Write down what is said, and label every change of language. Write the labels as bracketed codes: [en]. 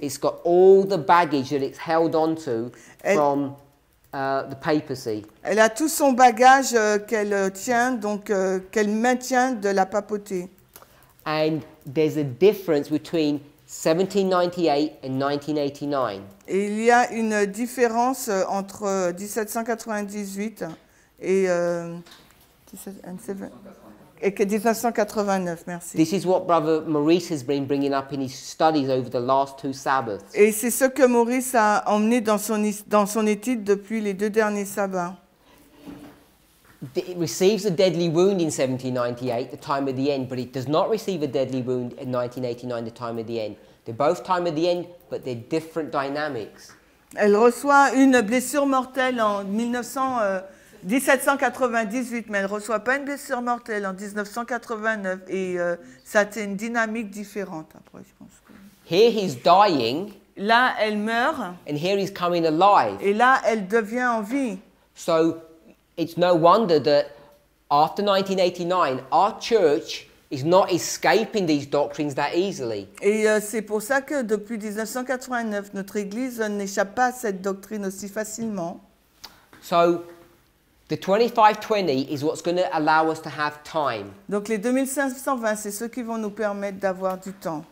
[en] It's got all the baggage that it's held on to from the papacy. [fr] Elle a tout son bagage qu'elle tient, donc qu'elle maintient de la papauté. [en] And there's a difference between 1798 and 1989. [fr] Et il y a une différence entre 1798 et 1989, merci. [en] This is what Brother Maurice has been bringing up in his studies over the last two Sabbaths. [fr] Et c'est ce que Maurice a emmené dans son étude depuis les deux derniers sabbats. [en] it receives a deadly wound in 1798, the time of the end, but it does not receive a deadly wound in 1989, the time of the end. They're both time of the end, but they're different dynamics. [fr] Elle reçoit une blessure mortelle en 1798, mais elle ne reçoit pas une blessure mortelle en 1989. Et ça a une dynamique différente après, je pense. [en] Here he's dying. [fr] Là, elle meurt. [en] And here he's coming alive. [fr] Et là, elle devient en vie. [en] So, it's no wonder that after 1989, our church is not escaping these doctrines that easily. [fr] Et c'est pour ça que depuis 1989, notre église n'échappe pas à cette doctrine aussi facilement. [en] So, the 2520 is what's going to allow us to have time. [fr] Donc les 2520, c'est ceux qui vont nous permettre d'avoir du temps.